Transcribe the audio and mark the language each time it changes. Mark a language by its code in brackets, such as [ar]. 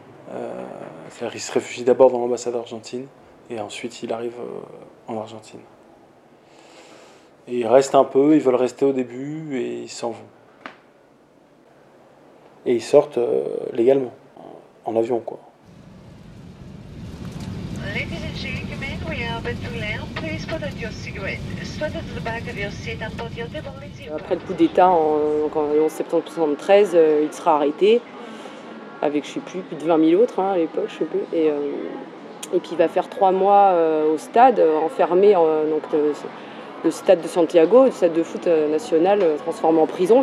[fr] Il se réfugie d'abord dans l'ambassade d'Argentine, et ensuite il arrive en Argentine. Et ils restent un peu, ils veulent rester au début, et ils s'en vont. Et ils sortent légalement, en avion, quoi. [en] Ladies and gentlemen, we are about to land. Please put out your cigarette. Stand at the back of your seat and put your table with you. [fr] Après le coup d'État, en septembre 73, il sera arrêté, avec, je sais plus de 20 000 autres, hein, à l'époque, je sais plus. Et puis il va faire 3 mois au stade, enfermé, le stade de Santiago, le stade de foot national, transformé en prison.